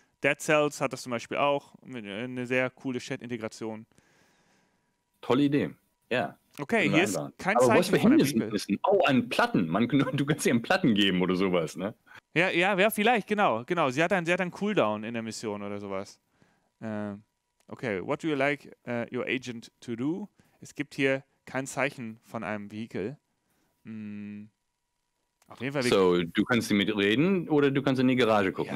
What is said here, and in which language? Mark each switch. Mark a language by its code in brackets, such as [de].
[de] Dead Cells hat das zum Beispiel auch, eine sehr coole Chat-Integration. Tolle Idee, ja. Okay, hier ist kein Zeichen. Aber was für Hindernisse ist denn? Oh, an Platten. Du kannst dir einen Platten geben oder sowas, ne? Ja, vielleicht, genau. Sie hat einen Cooldown in der Mission oder sowas. [en] Okay, what do you like your agent to do? [de] Es gibt hier kein Zeichen von einem Vehicle. Auf jeden Fall. So, du kannst sie mitreden oder du kannst in die Garage gucken.